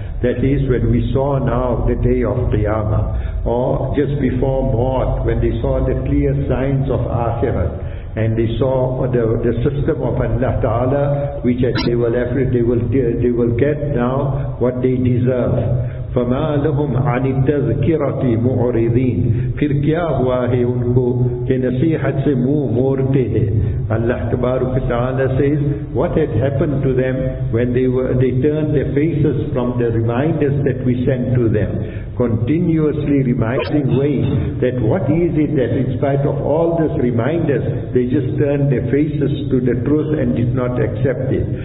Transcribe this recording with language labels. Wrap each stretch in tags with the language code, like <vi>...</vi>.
<en>That is when we saw now the day of Qiyamah, or just before Maut, when they saw the clear signs of Akhirat. And they saw the system of Allah Ta'ala, which they will get now what they deserve.</en> <ar>فَمَا لَهُمْ عَنِ التَّذْكِرَةِ مُعْرِضِينَ</ar> <ur>پھر کیا ہوا ہے ان کو کہ نصیحت سے منہ موڑتے ہیں.</ur> <en>Allah تبارک تعالی says, what had happened to them when they turned their faces from the reminders that we sent to them, continuously reminding ways, that what is it that in spite of all these reminders they just turned their faces to the truth and did not accept it.</en>